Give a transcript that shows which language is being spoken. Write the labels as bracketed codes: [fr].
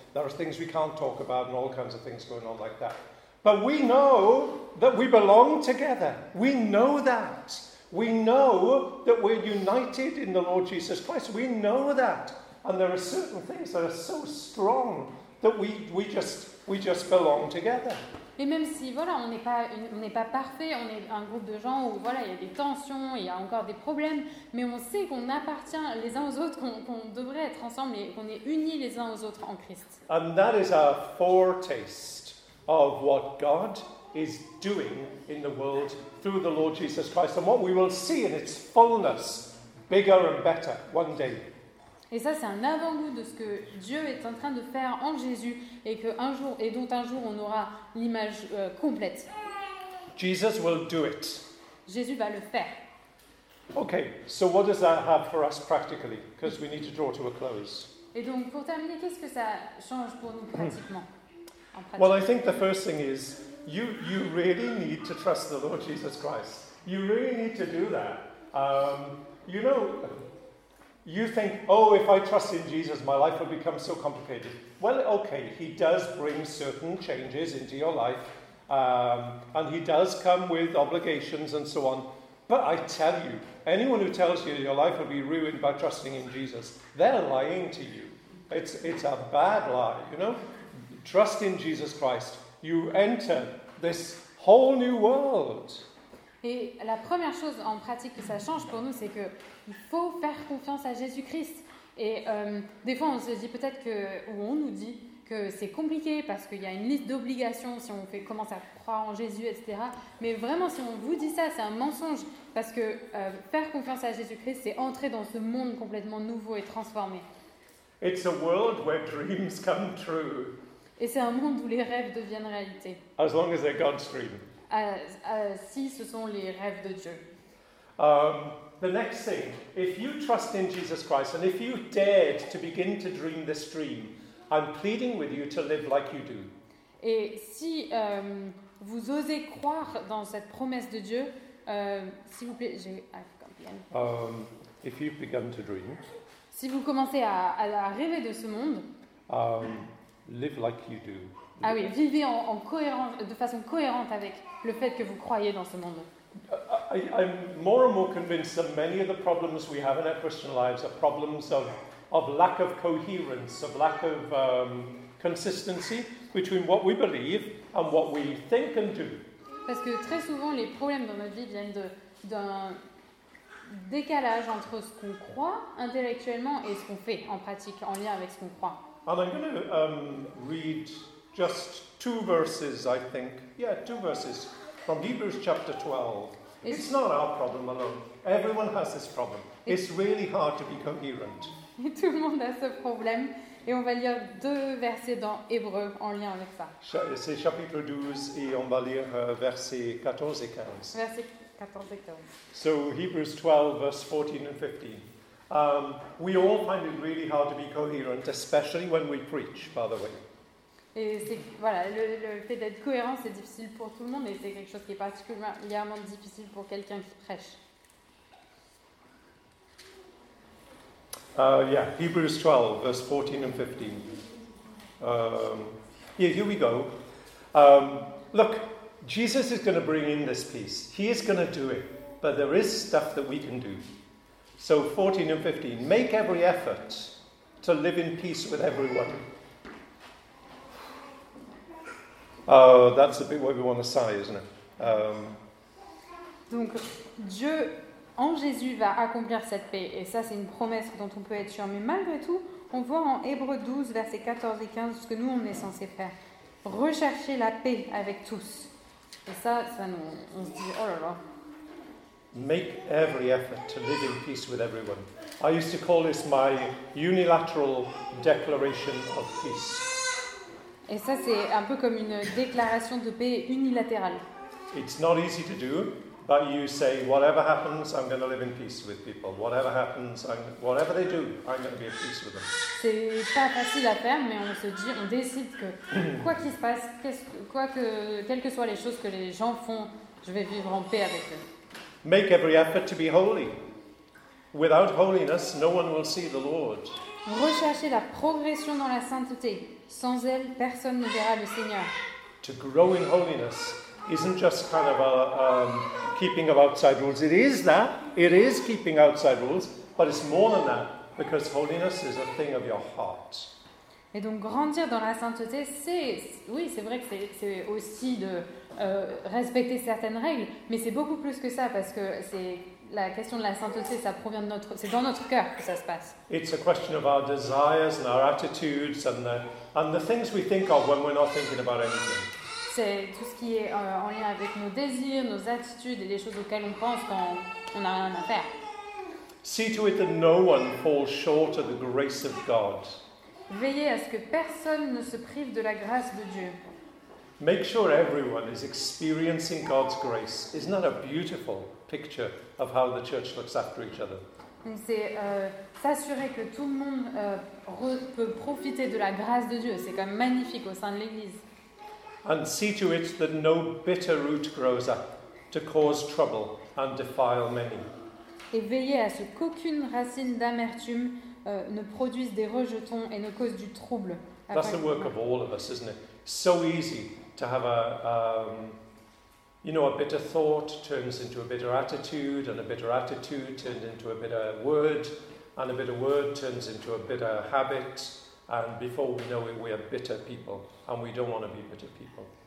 [en] There are things we can't talk about and all kinds of things going on like that. But we know that we belong together. We know that. We know that we're united in the Lord Jesus Christ. We know that. And there are certain things that are so strong that we just belong together. [fr] Et même si voilà, on n'est pas parfait, on est un groupe de gens où voilà, il y a des tensions, il y a encore des problèmes, mais on sait qu'on appartient les uns aux autres, qu'on devrait être ensemble et qu'on est unis les uns aux autres en Christ. [en] And that is our foretaste of what God is doing in the world through the Lord Jesus Christ, and what we will see in its fullness, bigger and better, one day. [fr] Et ça, c'est un avant-goût de ce que Dieu est en train de faire en Jésus, et que un jour, et dont un jour, on aura l'image complète. [en] Jesus will do it. [fr] Jésus va le faire. [en] Okay, so what does that have for us practically? Because we need to draw to a close. [fr] Et donc, pour terminer, qu'est-ce que ça change pour nous pratiquement? [en] Well, I think the first thing is, you really need to trust the Lord Jesus Christ. You really need to do that. You know, you think, oh, if I trust in Jesus, my life will become so complicated. Well, okay, he does bring certain changes into your life, and he does come with obligations and so on. But I tell you, anyone who tells you your life will be ruined by trusting in Jesus, they're lying to you. It's a bad lie, you know? Trust in Jesus Christ. You enter this whole new world. [fr] Et la première chose en pratique que ça change pour nous, c'est que il faut faire confiance à Jésus-Christ. Et des fois, on se dit peut-être que, ou on nous dit que c'est compliqué parce qu'il y a une liste d'obligations si on commence à croire en Jésus, etc. Mais vraiment, si on vous dit ça, c'est un mensonge parce que faire confiance à Jésus-Christ, c'est entrer dans ce monde complètement nouveau et transformé. [en] It's a world where dreams come true. [fr] Et c'est un monde où les rêves deviennent réalité. [en] As long as they're God's dream. [fr] Si ce sont les rêves de Dieu. [en] The next thing, if you trust in Jesus Christ and if you dared to begin to dream this dream, I'm pleading with you to live like you do. [fr] Et si vous osez croire dans cette promesse de Dieu, s'il vous plaît, j'ai. [en] again. If you've begun to dream, [fr] si vous commencez à rêver de ce monde, [en] live like you do. [fr] Ah oui, vivez en cohérent, de façon cohérente avec le fait que vous croyez dans ce monde. [en] I'm more and more convinced that many of the problems we have in our Christian lives are problems of lack of coherence, of lack of consistency between what we believe and what we think and do. [fr] Parce que très souvent, les problèmes dans notre vie viennent d'un décalage entre ce qu'on croit intellectuellement et ce qu'on fait en pratique, en lien avec ce qu'on croit. [en] And I'm going to read just two verses, I think. Yeah, two verses from Hebrews chapter 12. It's not our problem alone. Everyone has this problem. It's really hard to be coherent. [fr] Et tout le monde a ce problème. Et on va lire deux versets dans Hébreux en lien avec ça. C'est chapitre 12 et on va lire versets 14 et 15. Versets 14 et 15. [en] So Hebrews 12, verse 14 and 15. We all find it really hard to be coherent, especially when we preach, by the way. [fr] Et c'est, voilà, le fait d'être cohérent, c'est difficile pour tout le monde et c'est quelque chose qui est particulièrement difficile pour quelqu'un qui prêche. [en] Hebrews 12, verse 14 and 15. Yeah, here we go. Look, Jesus is going to bring in this peace. He is going to do it, but there is stuff that we can do. So 14 and 15, make every effort to live in peace with everyone. That's a bit where we want to sigh, isn't it? [fr] Donc, Dieu en Jésus va accomplir cette paix. Et ça, c'est une promesse dont on peut être sûr. Mais malgré tout, on voit en Hébreux 12, versets 14 et 15, ce que nous, on est censé faire. Rechercher la paix avec tous. Et ça nous, on se dit, oh là là. [en] Make every effort to live in peace with everyone. I used to call this my unilateral declaration of peace. [fr] Et ça, c'est un peu comme une déclaration de paix unilatérale. [en] It's not easy to do. But you say, whatever happens, I'm going to live in peace with people. Whatever happens, whatever they do, I'm going to be at peace with them. [fr] C'est pas facile à faire, mais on se dit, on décide que quoi qu'il se passe, quelles que soient les choses que les gens font, je vais vivre en paix avec eux. [en] Make every effort to be holy. Without holiness, no one will see the Lord. [fr] Recherchez la progression dans la sainteté. Sans elle, personne ne verra le Seigneur. [en] To grow in holiness isn't just kind of a keeping of outside rules. It is that. It is keeping outside rules, but it's more than that because holiness is a thing of your heart. [fr] Et donc grandir dans la sainteté, c'est vrai que c'est aussi de respecter certaines règles, mais c'est beaucoup plus que ça parce que c'est la question de la sainteté, ça provient de notre, c'est dans notre cœur que ça se passe. [en] It's a question of our desires and our attitudes and the things we think of when we're not thinking about anything. [fr] C'est tout ce qui est en lien avec nos désirs, nos attitudes et les choses auxquelles on pense quand on n'a rien à faire. [en] See to it that no one falls short of the grace of God. [fr] Veillez à ce que personne ne se prive de la grâce de Dieu. [en] Make sure everyone is experiencing God's grace. Isn't that a beautiful picture of how the church looks after each other? [fr] Donc c'est s'assurer que tout le monde peut profiter de la grâce de Dieu. C'est quand même magnifique au sein de l'Église. [en] And see to it that no bitter root grows up to cause trouble and defile many. [fr] Et veillez à ce qu'aucune racine d'amertume ne produise des rejetons et ne cause du trouble. [en] That's the work of all of us, isn't it? So easy to have a bitter thought turns into a bitter attitude, and a bitter attitude turns into a bitter word, and a bitter word turns into a bitter habit. And before we know it, we are bitter people, and we don't want to be bitter people.